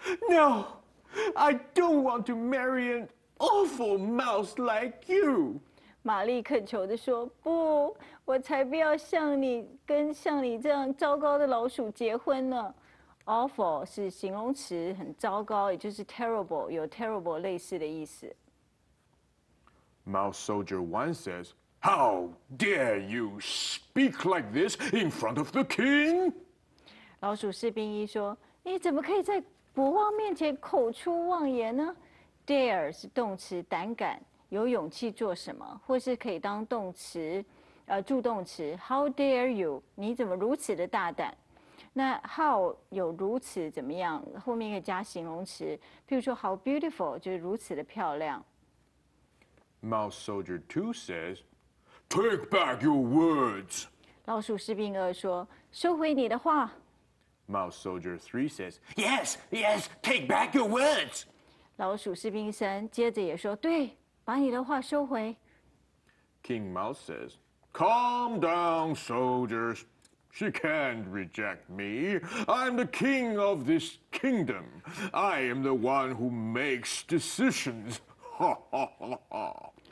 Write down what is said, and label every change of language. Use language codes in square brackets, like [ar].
[en] No, I don't want to marry an awful mouse like you. [zh] 玛丽恳求地说，不，我才不要像你跟像你这样糟糕的老鼠结婚呢。 Awful 是形容词，很糟糕，也就是 terrible， 有 terrible 类似的意思。 [en] Mouse Soldier 1 says, How dare you speak like this in front of the king? [zh] 老鼠士兵一说，你怎么可以在国王面前口出妄言呢？ Dare 是动词，胆敢。有勇气做什么，或是可以当动词，助动词。 [en] How dare you？ [zh] 你怎么如此的大胆？那 how 有如此怎么样？后面可以加形容词，譬如说 [en] how beautiful [zh] 就是如此的漂亮。 [en] Mouse Soldier 2 says, Take back your words. [zh] 老鼠士兵二说，收回你的话。 [en] Mouse Soldier 3 says, Yes, yes, take back your words! [zh] 老鼠士兵三接着也说，对，把你的话收回。 [en] King Mouse says, Calm down, soldiers. She can't reject me. I'm the king of this kingdom. I am the one who makes decisions. Ha ha ha ha.